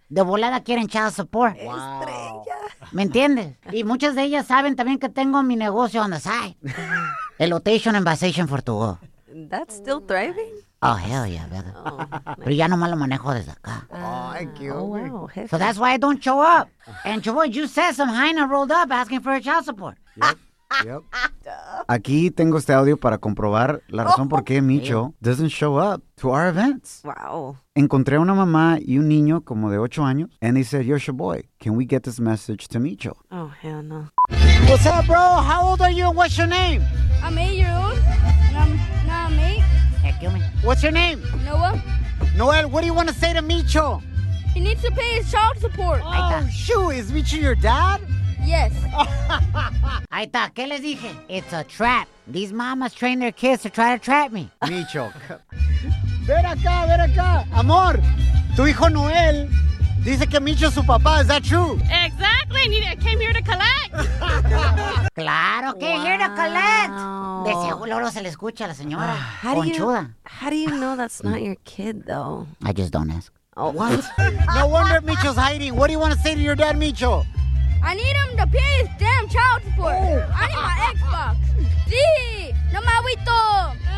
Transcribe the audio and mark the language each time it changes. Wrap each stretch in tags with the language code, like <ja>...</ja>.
<es>De volada quieren child support. Wow. Estrella. ¿Me entiendes? Y muchas de ellas saben también que tengo mi negocio</es> <en>on the side. Elotation and Basation for to go. That's still thriving? Oh, hell yeah, brother.</en> <es>Oh, pero ya nomás lo manejo desde acá.</es> <en>Oh, thank you. Oh, wow. So that's why I don't show up. And Chavoy, you said some hyena rolled up asking for a child support.</en> <es>Yep. Aquí tengo este audio para comprobar la razón por qué Micho</es> <en>doesn't show up to our events. Wow.</en> <es>Encontré una mamá y un niño como de 8 años,</es> <en>and they said, yo, Sha'Boy, can we get this message to Micho? Oh, hell no. What's up, bro? How old are you and what's your name? I'm 8 years old. I'm 8. Hey, kill me. What's your name? Noel, what do you want to say to Micho? He needs to pay his child support. Oh, shoot. Is Micho your dad? Yes.</en> <es>Ahí está, ¿qué les dije?</es> <en>It's a trap. These mamas train their kids to try to trap me.</en> <es>Micho. Ven acá, ven acá. Amor, tu hijo Noel dice que Micho es su papá.</es> <en>Is that true? Exactly. I came here to collect.</en> <es>Claro que</es> <en>wow. Here to collect.</en> <es>De seguro se le escucha a la señora. Conchuda.</es> <en>How do you know that's not your kid, though? I just don't ask. Oh, what? No wonder Micho's hiding. What do you want to say to your dad, Micho? I need him to pay his damn child support. Oh. I need my Xbox.</en> <es>Sí, no me agüito.</es>